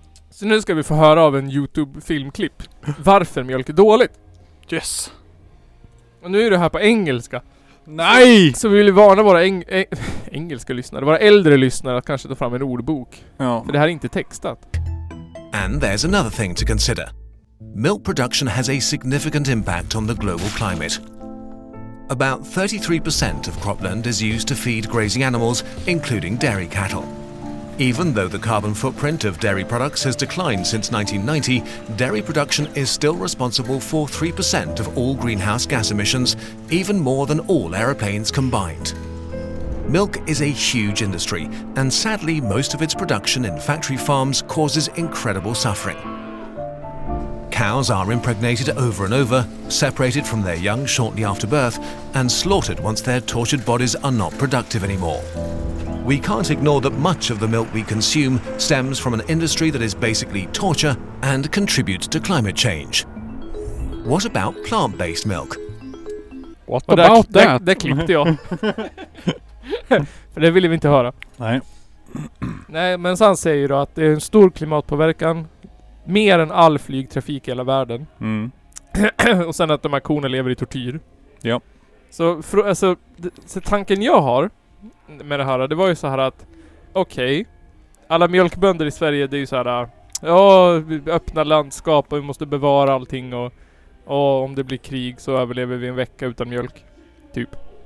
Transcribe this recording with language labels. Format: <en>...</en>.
<sv>Så nu ska vi få höra av en YouTube-filmklipp. Varför mjölk är dåligt.</sv> <en>Yes.</en> <sv>Och nu är det här på engelska. Nej! Så vi vill varna våra engelska lyssnare, våra äldre lyssnare att kanske ta fram en ordbok. Ja. För det här är inte textat.</sv> <en>And there's another thing to consider. Milk production has a significant impact on the global climate. About 33% of cropland is used to feed grazing animals, including dairy cattle. Even though the carbon footprint of dairy products has declined since 1990, dairy production is still responsible for 3% of all greenhouse gas emissions, even more than all aeroplanes combined. Milk is a huge industry, and sadly, most of its production in factory farms causes incredible suffering. Cows are impregnated over and over, separated from their young shortly after birth, and slaughtered once their tortured bodies are not productive anymore. We can't ignore that much of the milk we consume stems from an industry that is basically torture and contributes to climate change. What about plant-based milk? What about that?</en> <sv>Det klippte jag. För det ville vi inte höra. Nej. Nej, men sen säger du att det är en stor klimatpåverkan. Mer än all flygtrafik i hela världen. Mm. Och sen att de här korna lever i tortyr. Ja. Så tanken jag har med det här, det var ju så här att okej, okay, alla mjölkbönder i Sverige, det är ju så här, ja, öppna landskap och vi måste bevara allting och om det blir krig så överlever vi en vecka utan mjölk typ.</sv>